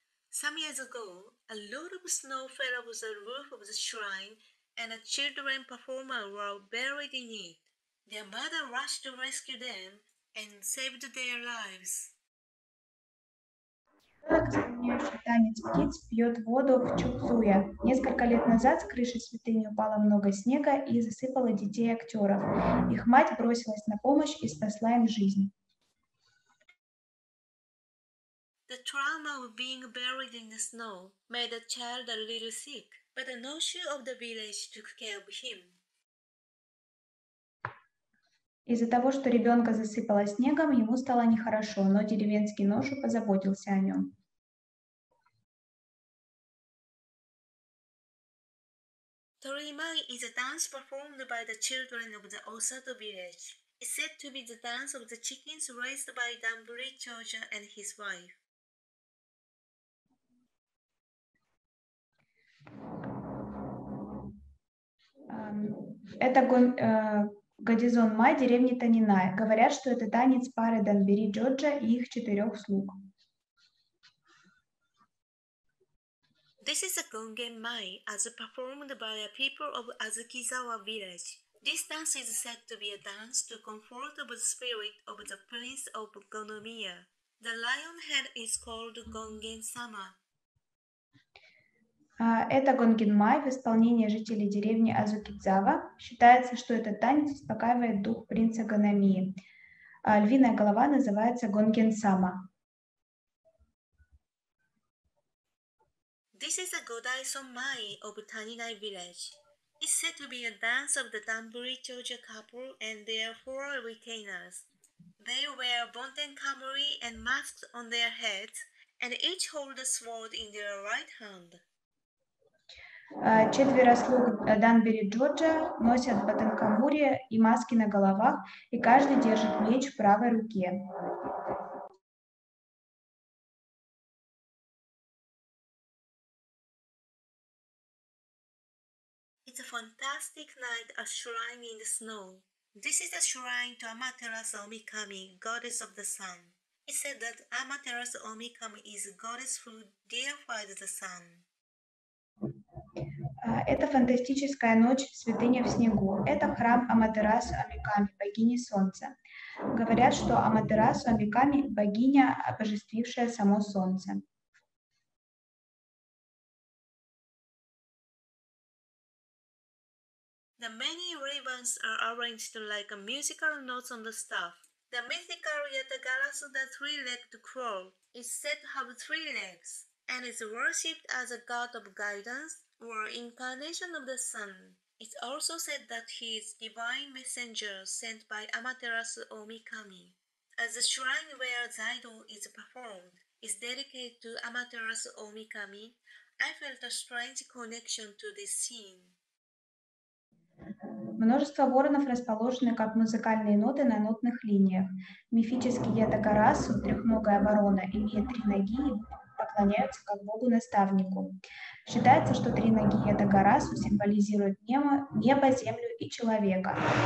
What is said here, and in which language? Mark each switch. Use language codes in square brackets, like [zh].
[en] Some years ago, a lot of snow fell over the roof of the shrine and a children performer were buried in it. Their mother rushed to rescue them and saved their lives. [ru] Ребенок, исполняющий танец птиц, пьет воду в чузуя. Несколько лет назад с крыши святыни упало много снега и засыпало детей актеров. Их мать бросилась на помощь и спасла им жизнь. [en] The trauma of being buried in the snow made the child a little sick, but the Noshu of the village took care of him. [ru] Из-за того, что ребенка засыпало снегом, ему стало нехорошо, но деревенский Ношу позаботился о нем. [en] Tsunami is a dance performed by the children of the Osato village. It's said to be the dance of the chickens raised by Danburi Choja and his wife. [ru] Это Годизон Май, деревня Танинай. Говорят, что это танец пары Данбери Джоджа и их четырех слуг. [en] This is a gongen mai, as performed by a people of Azukizawa village. This dance is said to be a dance to comfort the spirit of the prince of Gonomiya. The lion head is called Гонгин-сама. [ru] Это гонгинмай в исполнении жителей деревни Азукидзава. Считается, что этот танец успокаивает дух принца Ганамии. Львиная голова называется гонгин-сама. [en] This is a godai sonmai of Taninai village. It's said to be a dance of the Danburi Choja couple and their four retainers. They wear bonten kamori and masks on their heads, and each hold a sword in their right hand. [ru] Четверо слуг Данбери Джорджа носят батанкамури и маски на головах, и каждый держит меч в правой руке. [en] It's a fantastic night at shrine in the snow. This is a shrine to Amaterasu Omikami, goddess of the sun. It's said that Amaterasu Omikami is a goddess who deified the sun. [ru] Это фантастическая ночь в святыне в снегу. Это храм Аматерасу Омиками, богини солнца. Говорят, что Аматерасу Омиками – богиня, обожествившая само солнце. [en] The many ravens are arranged like a musical notes on the staff. The mythical Yatagarasu, the three-legged crow, is said to have three legs and is worshipped as a god of guidance, or incarnation of the sun. It's also said that he is divine messenger sent by Amaterasu Omikami. As the shrine where Zaido is performed is dedicated to Amaterasu Omikami, I felt a strange connection to this scene. [ru] Множество воронов расположены как музыкальные ноты на нотных линиях. Мифический Ятагарасу, трехногая ворона, имеет три ноги и поклоняются как богу-наставнику. Считается, что три ноги Ятагарасу символизируют небо, землю и человека.